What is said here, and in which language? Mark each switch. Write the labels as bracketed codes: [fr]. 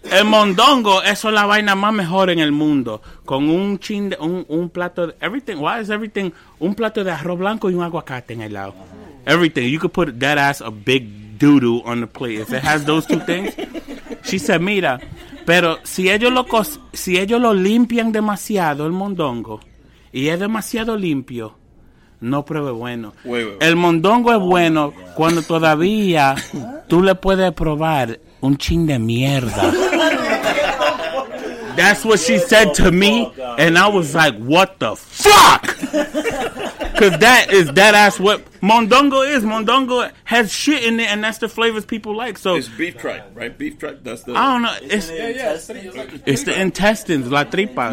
[es] El mondongo, eso es la vaina más mejor en el mundo. Con un chin de un plato de [en] everything. Why is everything? [es] Un plato de arroz blanco y un aguacate en el lado. [en] Everything. You could put that ass a big doo-doo on the plate. If it has those two things. She said, [es] mira, pero si ellos lo limpian demasiado el mondongo y es demasiado limpio, no pruebe bueno. [en] Wait. [es] El mondongo es bueno cuando todavía tú le puedes probar un chin de mierda. [en] That's what she said to me, and I was like, what the fuck? Because that is that ass what mondongo is. Mondongo has shit in it, and that's the flavors people like. So it's beef tripe, right? Beef tripe, that's the... I don't know. It's the intestines, la tripas.